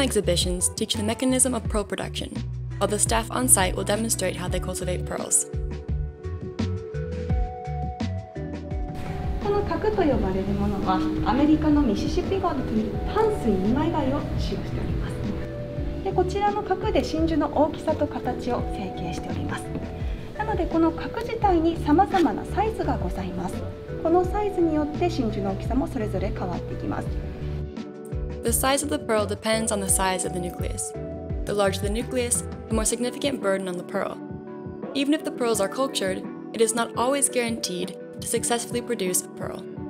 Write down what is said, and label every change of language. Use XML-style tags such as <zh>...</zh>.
<en>exhibitions teach the mechanism of pearl production, while the staff on site will demonstrate how they cultivate pearls.</en> <ja>この核と呼ばれるものはアメリカのミシシッピ川の国淡水二枚貝を使用しております。で、こちらの核で真珠の大きさと形を成形しております。なのでこの核自体に様々なサイズがございます。このサイズによって真珠の大きさもそれぞれ変わってきます。</ja> <en>The size of the pearl depends on the size of the nucleus. The larger the nucleus, the more significant burden on the pearl. Even if the pearls are cultured, it is not always guaranteed to successfully produce a pearl.</en>